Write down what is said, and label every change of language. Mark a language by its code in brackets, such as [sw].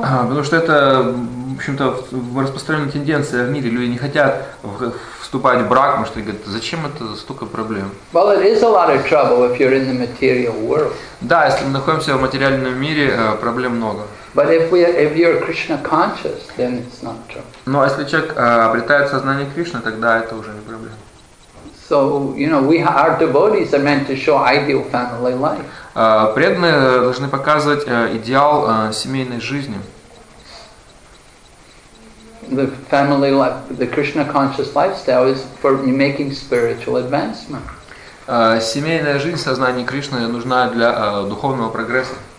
[ru] Потому что это, в общем-то, распространенная тенденция в мире. Люди не хотят вступать в брак, потому что они говорят, зачем это столько проблем? [en] Well, it is a lot of trouble if you're in the material world. [ru] Да, если мы находимся в материальном мире, проблем много. [en] But if you're Krishna conscious, then it's not trouble. [ru] Но если человек обретает сознание Кришны, тогда это уже не проблема. [en] So, you know, our devotees are meant to show ideal family life. [ru] Преданные должны показывать идеал семейной жизни. [en] The family life, the Krishna conscious lifestyle is for making spiritual advancement. [ru] Семейная жизнь сознания Кришны нужна для духовного прогресса.